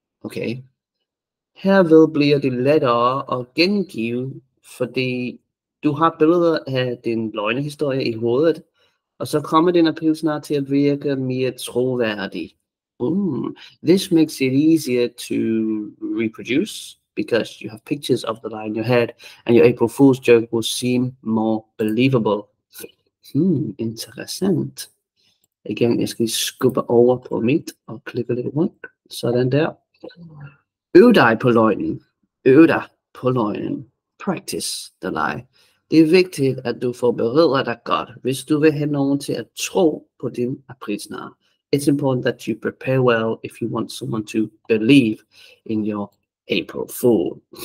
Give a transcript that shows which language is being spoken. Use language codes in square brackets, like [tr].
[da] Okay. Herved bliver det lettere at gengive, fordi du har billeder af din løgnehistorie i hovedet, og så kommer din appeal snart til at virke mere troværdig. [en] This makes it easier to reproduce because you have pictures of the lie in your head and your April Fool's joke will seem more believable. [da] Interessant. Igen, jeg skal skubbe over på mit og klikke lidt rundt. Sådan der. Øv dig på løgnen. Øv dig på løgnen. [en] Practice the lie. [da] Det er vigtigt, at du forbereder dig godt, hvis du vil have nogen til at tro på din aprilsnar. [en] It's important that you prepare well if you want someone to believe in your April Fool.